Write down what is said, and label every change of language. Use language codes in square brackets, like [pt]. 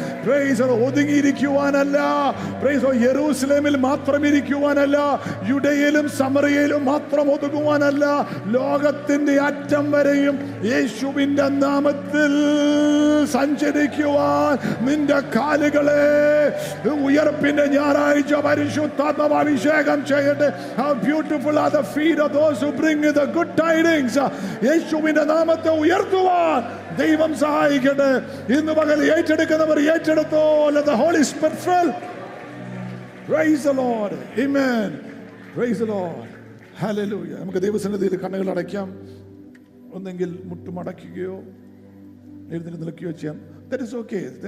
[ml] Price ഒതുങ്ങിയിരിക്കുവാനല്ല, price യെരൂശലേമിൽ മാത്രം ഇരിക്കുവാനല്ല, യുദ്ധയിലും സമറിയയിലും മാത്രം ഒതുങ്ങുവാനല്ല, ലോകത്തിന്റെ അറ്റം വരെയും യേശുവിന്റെ നാമത്തിൽ സഞ്ചരിക്കുവാൻ നിന്റെ കാലുകളെ ഉയർപ്പിന്റെ ഞായറാഴ്ച പരിശുദ്ധാത്മാവ് അഭിഷേകം ചെയ്യട്ടെ. [en] How beautiful are the feet of those who bring the good tidings. [ml] യേശുവിന്റെ നാമത്തെ ഉയർത്തുവാൻ ദൈവം സഹായിക്കട്ടെ. ഇന്ന് പകൽ ഏറ്റെടുക്കുന്നവർ ഏറ്റെടുത്തോളെ. [en] The Holy Spirit fell. Praise the Lord. Amen. Praise the Lord. Hallelujah. [ml] നമുക്ക് ദൈവസന്നിധിയിൽ കണ്ണുകൾ അടയ്ക്കാം, ഒന്നെങ്കിൽ മുട്ടുമടക്കുകയോ എഴുന്നേറ്റ് നിൽക്കുകയോ ചെയ്യാം. [en] That is okay.